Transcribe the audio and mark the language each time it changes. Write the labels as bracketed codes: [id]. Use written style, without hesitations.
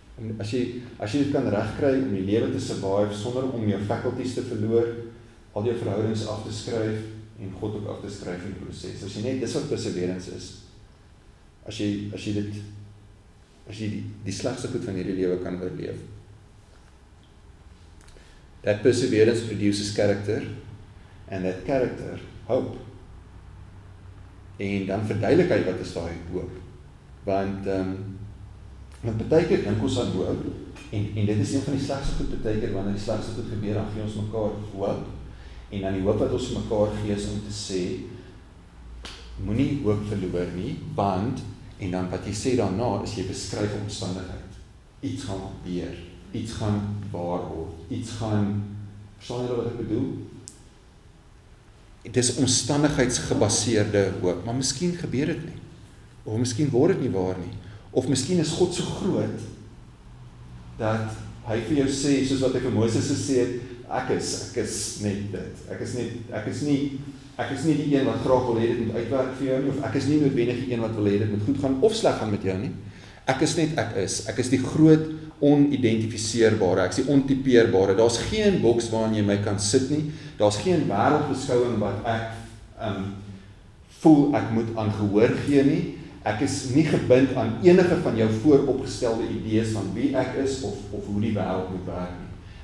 [af] En as jy dit kan regkry om die lewe te survive, sonder om jou faculties te verloor, al jou verhoudings af te skryf, en God ook af te skryf in die proces, as jy net, dis wat perseverance is, as jy die slegste goed van hierdie lewe kan oorleef. [en] That perseverance produces character, and that character, hope. [af] En dan verduidelik hy wat is daai hoop, want met partykeer dink ons aan hoop, en dit is een van die slegste goed partykeer, wanneer die slegste goed gebeur, dan gee ons mekaar hoop, en dan die hoop wat ons mekaar gee is om te sê, moenie hoop verloor nie, want, en dan wat jy sê daarna, is jy beskryf omstandigheid, iets gaan gebeur, iets gaan waar word, iets gaan, verstaan jy wat ek bedoel? Dit is omstandigheidsgebaseerde hoop, maar miskien gebeur dit nie, of miskien word dit nie waar nie, of miskien is God so groot, dat hy vir jou sê, soos wat hy vir Moses gesê het, ek is nie die een wat graag wil hê dit moet uitwerk vir jou nie, of ek is nie noodwendig die een wat wil hê dit moet goed gaan of sleg gaan met jou nie. Ek is net ek is die groot onidentifiseerbare, ek sê ontypeerbare, daar is geen boks waarin jy my kan sit nie, daar is geen wereldbeskouwing wat ek voel ek moet aan gehoor gee nie, ek is nie gebind aan enige van jou vooropgestelde idees van wie ek is of hoe die wereld moet werk nie.